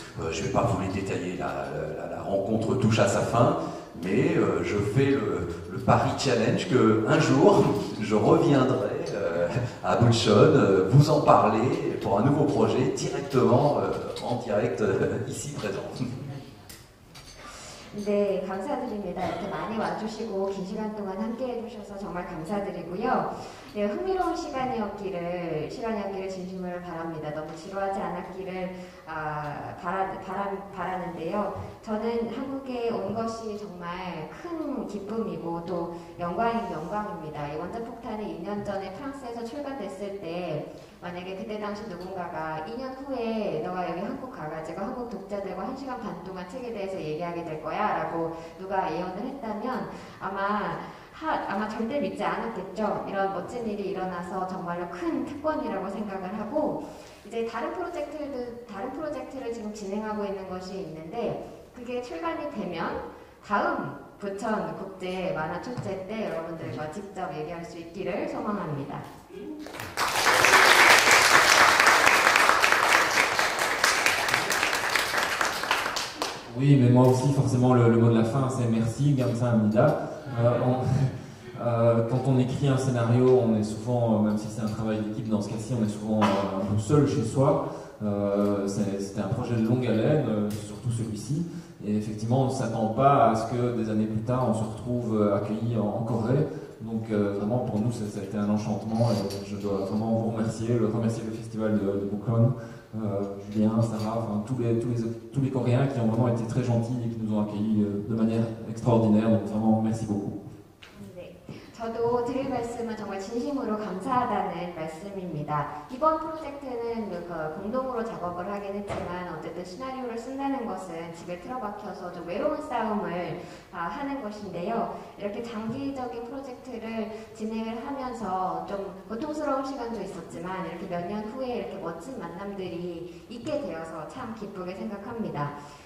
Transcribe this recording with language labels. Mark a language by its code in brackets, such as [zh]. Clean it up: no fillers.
[fr] Je ne vais pas vous les détailler, la rencontre touche à sa fin, mais je fais le pari challenge que un jour, je reviendrai à Bouchon vous en parler pour un nouveau projet directement, en direct, ici présent. [ko] 네, 감사드립니다. 이렇게 많이 와주시고 긴 시간 동안 함께 해주셔서 정말 감사드리고요. 네, 흥미로운 시간이었기를 진심으로 바랍니다. 너무 지루하지 않았기를 바라는데요. 저는 한국에 온 것이 정말 큰 기쁨이고 또 영광입니다. 이 원자폭탄이 2년 전에 프랑스에서 출간됐을 때 만약에 그때 당시 누군가가 2년 후에 너가 여기 한국 가가지고 한국 독자들과 1시간 반 동안 책에 대해서 얘기하게 될 거야 라고 누가 예언을 했다면 아마 절대 믿지 않았겠죠. 이런 멋진 일이 일어나서 정말로 큰 특권이라고 생각을 하고 이제 다른 프로젝트를 지금 진행하고 있는 것이 있는데 그게 출간이 되면 다음 부천 국제 만화 축제 때 여러분들과 직접 얘기할 수 있기를 소망합니다. 어, 네, 저도 역시 [fr] forcément le mot de la fin c'est merci, merci Amida. Quand on écrit un scénario, on est souvent, même si c'est un travail d'équipe dans ce cas-ci, on est souvent un peu seul chez soi. C'était un projet de longue haleine, surtout celui-ci. Et effectivement, on ne s'attend pas à ce que des années plus tard, on se retrouve accueilli en Corée. Donc vraiment, pour nous, ça a été un enchantement. Et je dois vraiment vous remercier, le festival de Bouclon, Julien, Sarah, enfin, tous les Coréens qui ont vraiment été très gentils et qui nous ont accueillis de manière extraordinaire. Donc vraiment, merci beaucoup. [ko] 저도 드릴 말씀은 정말 진심으로 감사하다는 말씀입니다. 이번 프로젝트는 그 공동으로 작업을 하긴 했지만 어쨌든 시나리오를 쓴다는 것은 집에 틀어박혀서 좀 외로운 싸움을 하는 것인데요. 이렇게 장기적인 프로젝트를 진행을 하면서 좀 고통스러운 시간도 있었지만 이렇게 몇 년 후에 이렇게 멋진 만남들이 있게 되어서 참 기쁘게 생각합니다.